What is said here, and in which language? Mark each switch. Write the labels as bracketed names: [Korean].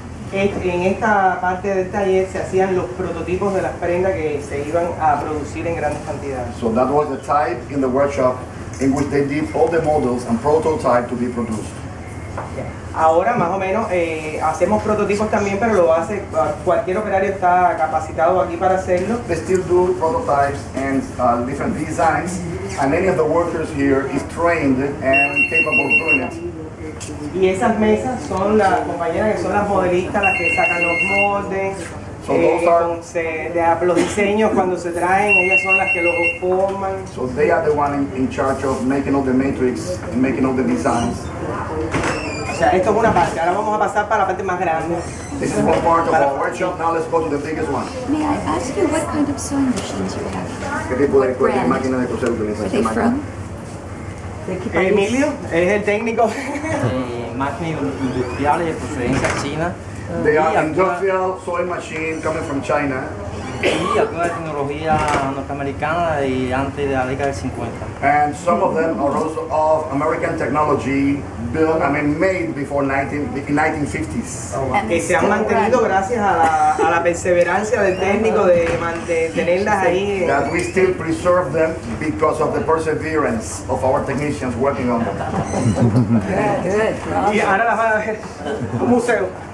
[Spanish] En esta parte del taller se hacían los prototipos de las prendas que se iban a producir en grandes cantidades. [English] So that was the type in the workshop in which they did all the models and prototypes to be produced. [Spanish] Ahora más o menos hacemos prototipos también, pero lo hace cualquier operario está capacitado aquí para hacerlo. [English] They still do prototypes and different designs, and any of the workers here is trained and capable of doing it. [Spanish] Y esas mesas son las compañeras que son las modelistas, las que sacan los moldes. [English] So those are [Spanish] los diseños cuando se traen, ellas son las que los forman. [English] So they are the one in charge of making all the matrix and making all the designs. [Spanish] O sea, esto es una parte. Ahora vamos a pasar para la parte más grande. [English] This is one part of our workshop. Now let's go to the biggest one. May I ask you what kind of sewing machines you have? [Spanish] ¿Qué tipo de máquina de coser utilizas? [English] Are they from? [Spanish] Emilio, es el técnico. Máquinas industriales de procedencia china. [English] They are industrial sewing machine coming from China. [Spanish] Y alguna tecnología norteamericana y antes de la década del 50. [English] And some of them are also of American technology built, I mean made before 1950s. [Spanish] Que se han mantenido gracias a la perseverancia del técnico de mantenerlas ahí. [English] That we still preserve them because of the perseverance of our technicians working on them. [Spanish] Y ahora las van a ver un museo.